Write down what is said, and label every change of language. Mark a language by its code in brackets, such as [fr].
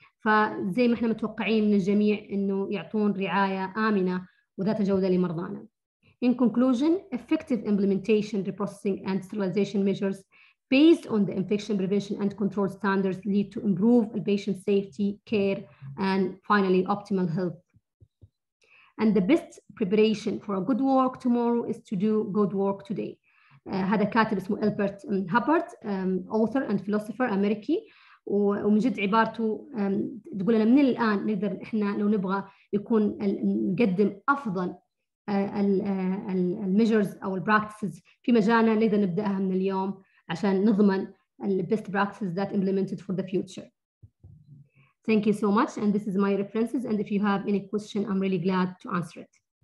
[ar] فزي ما احنا متوقعين من الجميع إنه يعطون رعاية آمنة وذات جودة لمرضانا. [en] In conclusion, effective implementation, reprocessing and sterilization measures based on the infection prevention and control standards lead to improve patient safety, care and finally optimal health. And the best preparation for a good work tomorrow is to do good work today. [ar] هذا كاتب اسمه Albert Hubbard, [en] author and philosopher American. [ar] ومن جد عبارته تقول لنا من الآن نقدر إحنا لو نبغى يكون نقدم أفضل الميجرز او البراكتسز في مجالنا نقدر نبداها من اليوم عشان نضمن [en] البيست practices that implemented for the future. Thank you so much and this is my references and if you have any question I'm really glad to answer it.